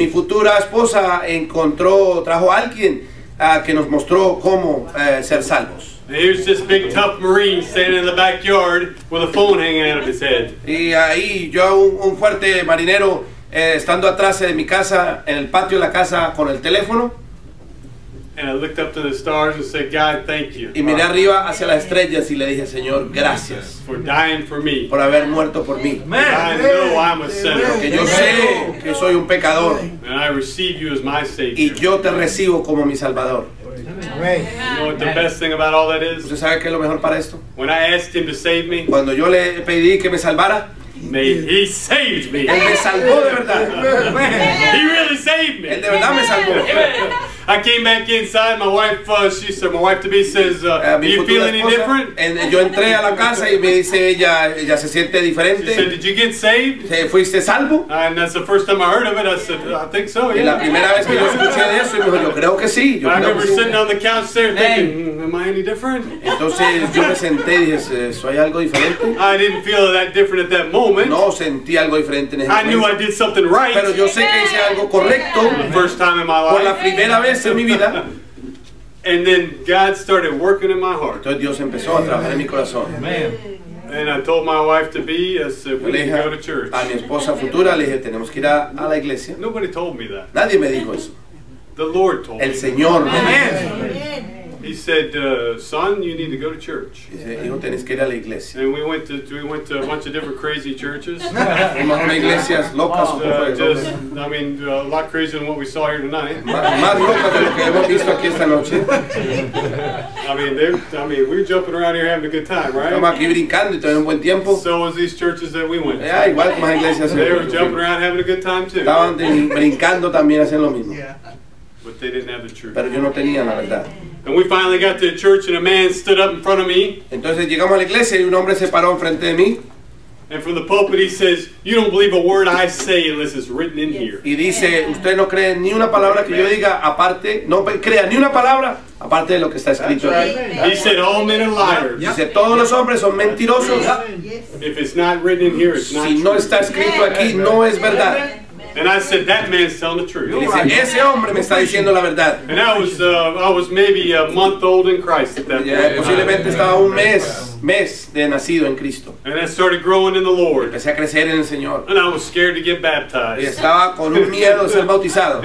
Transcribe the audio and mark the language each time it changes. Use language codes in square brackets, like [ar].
[es] Y mi futura esposa encontró, trajo a alguien que nos mostró cómo ser salvos. [en] There's this big tough Marine standing in the backyard with a phone hanging out of his head. [es] Y ahí yo un fuerte marinero estando atrás de mi casa en el patio de la casa con el teléfono. [en] And I looked up to the stars and said, God, thank you. [es] Y miré arriba hacia las estrellas y le dije, Señor, gracias. [en] For dying for me. [es] Por haber muerto por mí. [en] Man, I know I'm a sinner. [es] Porque yo sé que soy un pecador. [en] And I receive you as my Savior. [es] Y yo te recibo como mi Salvador. [en] You know what the best thing about all that is? [es] ¿Usted sabe qué es lo mejor para esto? [en] When I asked him to save me. [es] Cuando yo le pedí que me salvara. [en] He saved me. [es] Él me salvó de verdad. [en] He really saved me. [es] Él de verdad me salvó. [en] I came back inside. My wife, she said, my wife to be says, are you feeling [es] esposa, [en] any different? [es] And yo entré a la casa y me dice ella se siente diferente. [en] She said, did you get saved? [es] ¿Te fuiste salvo? [en] And that's the first time I heard of it. I said, I think so. Yeah. [es] Y la primera vez que yo escuché de eso, y me dijo, yo creo que sí. Yo [en] I remember [es] que [en] sitting on the couch there thinking, am I any different? [es] Entonces yo me senté y dije, ¿soy algo diferente? [en] I didn't feel that different at that moment. [es] No sentí algo diferente en ese [en] momento. I knew I did something right. [es] Pero yo sé que hice algo correcto. [en] First time in my life. [es] Por la primera vez. [en] And then God started working in my heart. [es] Entonces Dios empezó a trabajar en mi corazón. [en] And I told my wife to be, I said, we need to go to church. [es] A mi esposa futura le dije, tenemos que ir a la iglesia. [en] Nobody told me that. [es] Nadie me dijo eso. [en] The Lord told me. [es] El Señor me dijo. [en] He said, son, you need to go to church. [es] Hijo, tenés que ir a la iglesia. [en] And we went to a bunch of different crazy churches. [es] Iglesias locas. [en] A lot crazier than what we saw here tonight. [es] Más loca de lo que hemos visto aquí esta noche. [en] I mean, we're jumping around here having a good time, right? [es] Estamos aquí brincando y teniendo un buen tiempo. [en] So was these churches that we went to. [es] Yeah, igual como las iglesias. [en] They were jumping around having a good time too. [es] Estaban brincando también haciendo lo mismo. [en] But they didn't have the truth. [es] Pero yo no tenía la verdad. [en] And we finally got to a church and a man stood up in front of me. [es] Entonces llegamos a la iglesia y un hombre se paró enfrente de mí. [en] And from the pulpit he says, you don't believe a word I say unless it's written in here. [es] Y dice, usted no cree ni una palabra que yo diga aparte, no crea ni una palabra aparte de lo que está escrito. [en] He said, all men are liars. [es] Dice, todos los hombres son mentirosos. [en] If it's not written in here, it's not [es] true. Si no está escrito aquí, no es verdad. [en] And I said, that man's telling the truth. [es] Dice, ese hombre me está diciendo la verdad. [en] And I was maybe a month old in Christ at that point. [es] Posiblemente estaba un mes de nacido en Cristo. [en] And I started growing in the Lord. [es] Empecé a crecer en el Señor. [en] And I was scared to get baptized. [es] Y estaba con un miedo de ser bautizado.